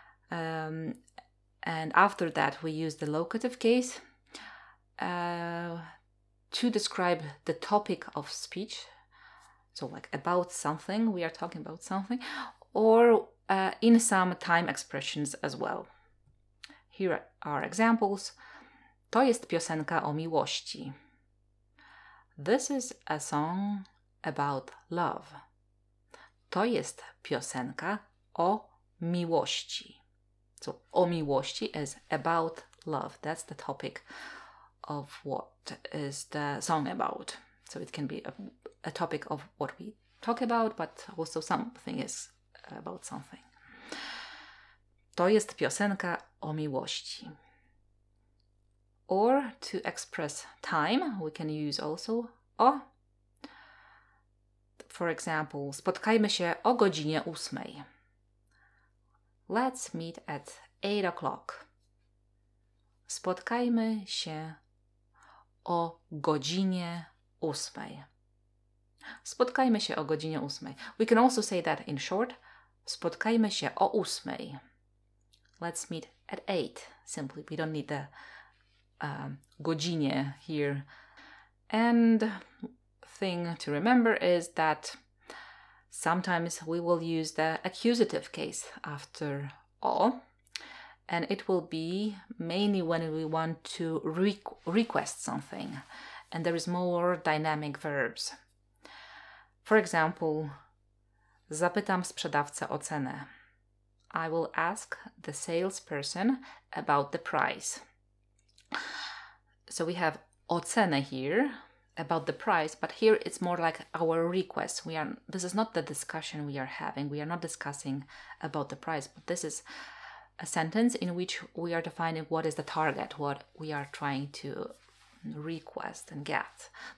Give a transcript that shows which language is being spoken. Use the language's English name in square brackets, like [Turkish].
[English] And after that, we use the locative case to describe the topic of speech. So like about something, we are talking about something, or in some time expressions as well. Here are examples. [Polish] To jest piosenka o miłości. [English] This is a song about love. [Polish] To jest piosenka o miłości. [English] So, [Polish] o miłości [English] is about love. That's the topic of what is the song about. So it can be a topic of what we talk about, but also something is about something. [Polish] To jest piosenka o miłości. [English] Or to express time, we can use also o. For example, [Polish] spotkajmy się o godzinie ósmej. [English] Let's meet at 8 o'clock. [Polish] Spotkajmy się o godzinie ósmej. Spotkajmy się o godzinie ósmej. [English] We can also say that in short. [Polish] Spotkajmy się o ósmej. [English] Let's meet at 8. Simply, we don't need the godzinie here. And thing to remember is that sometimes we will use the accusative case after o, and it will be mainly when we want to request something, and there is more dynamic verbs. For example, [Polish] zapytam sprzedawcę o cenę. [English] I will ask the salesperson about the price. So we have [Polish] o cenę [English] here, about the price, but here it's more like our request. This is not the discussion we are having. We are not discussing about the price, but this is a sentence in which we are defining what is the target, what we are trying to request and get.